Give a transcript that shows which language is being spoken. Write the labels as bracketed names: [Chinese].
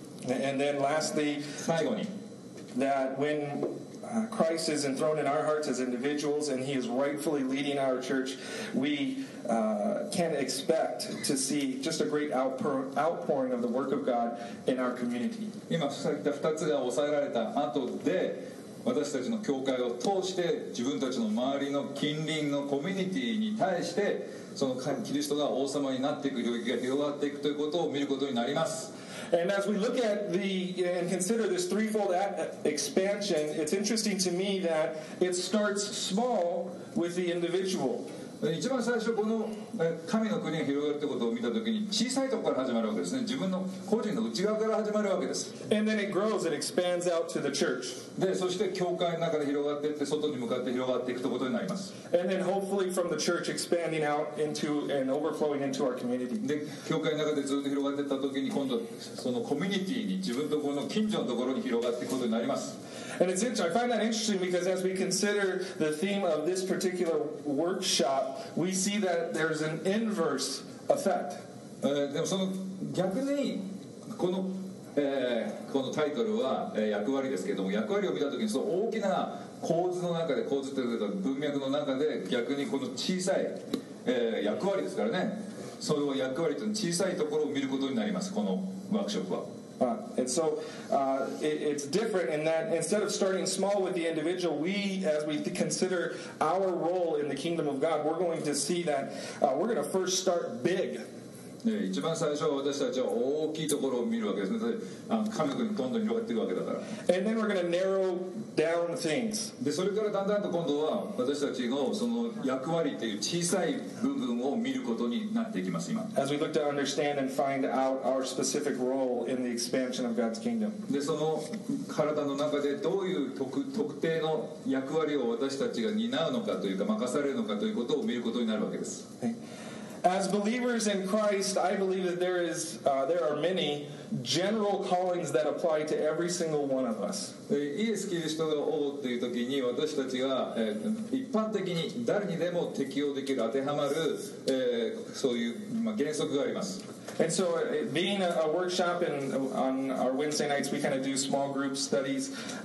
[English] And then lastly, [Japanese] 最後に、 [English] that when Christ is enthroned in our hearts as individuals and he is rightfully leading our church, we can expect to see just a great outpouring of the work of God in our community. [Japanese] 今さっき言った2つが抑えられた後で私たちの教会を通して自分たちの周りの近隣のコミュニティに対してそのキリストが王様になっていく領域が広がっていくということを見ることになります。 [English] And as we look at and consider this threefold expansion, it's interesting to me that it starts small with the individual. [Japanese] 一番最初この神の国が広がるということを見たときに小さいところから始まるわけですね。自分の個人の内側から始まるわけです。 [English] And then it grows and expands out to the church. [Japanese] でそして教会の中で広がっていって外に向かって広がっていくということになります。 [English] And then hopefully from the church expanding out into and overflowing into our community. [Japanese] で教会の中でずっと広がっていったときに今度そのコミュニティに自分とこの近所のところに広がっていくことになります。 [English] And it's interesting. I find that interesting because as we consider the theme of this particular workshop, we see that there's an inverse effect. [Japanese] でもその逆にこの、このタイトルは、役割ですけども、役割を見たときにその大きな構図の中で、構図というか文脈の中で逆にこの小さい、役割ですからね。その役割というのは小さいところを見ることになります、このワークショップは。 [English] And so it's different in that instead of starting small with the individual, we, as we consider our role in the kingdom of God, we're going to see that we're going to first start big. [Japanese] 一番最初は私たちは大きいところを見るわけですね。神の国にどんどん広がっていくわけだから。 [English] And then we're going to narrow down things. [Japanese] で、それからだんだんと今度は私たちのその役割っていう小さい部分を見ることになっていきます、今。 [English] As we look to understand and find out our specific role in the expansion of God's kingdom. [Japanese] で、その体の中でどういう 特定の役割を私たちが担うのかというか、任されるのかということを見ることになるわけです。 [English] As believers in Christ, I believe that there are many general callings that apply to every single one of us. [Japanese] イエス・キリストが王っていう時に私たちが、一般的に誰にでも適用できる当てはまる、そういう、まあ、原則があります。 [English] And so, being a workshop and on our Wednesday nights, we kind of do small group studies.